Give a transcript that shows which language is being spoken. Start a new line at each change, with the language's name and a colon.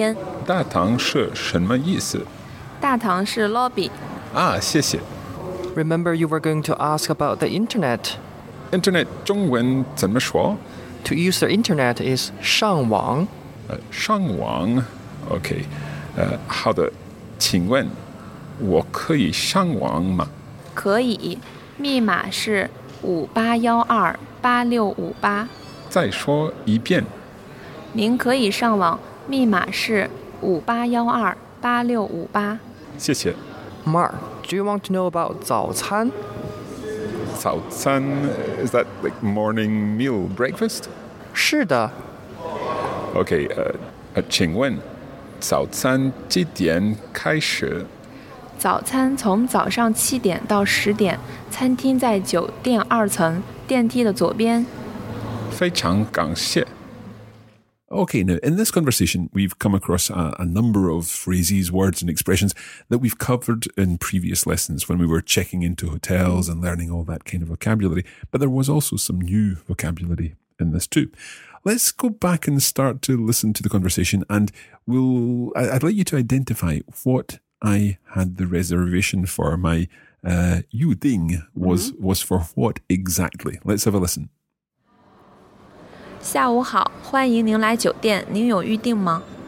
Chinese: 电梯在大堂的右边。大堂是什么意思? 大堂是lobby。啊,谢谢。
English: Remember you were going to ask about the internet.
Chinese: Internet中文怎么说?
English: To use the internet is 上网。
Chinese: 上网,okay. 好的,请问我可以上网吗? 可以,密码是5812-8658。再说一遍。您可以上网,密码是5812-8658。谢谢。
English: Mark, do you want to know about 早餐? 早餐, is that like morning meal breakfast?
Chinese: 是的。 Okay, 请问,早餐几点开始? 早餐从早上7点到10点, 餐厅在酒店2层, 电梯的左边。非常感谢。
English: Okay, now in this conversation, we've come across a number of phrases, words and expressions that we've covered in previous lessons when we were checking into hotels and learning all that kind of vocabulary. But there was also some new vocabulary in this too. Let's go back and start to listen to the conversation, and I'd like you to identify what I had the reservation for. My yu-ding was for what exactly? Let's have a listen.
Chinese: 下午好,欢迎您来酒店,您有预定吗?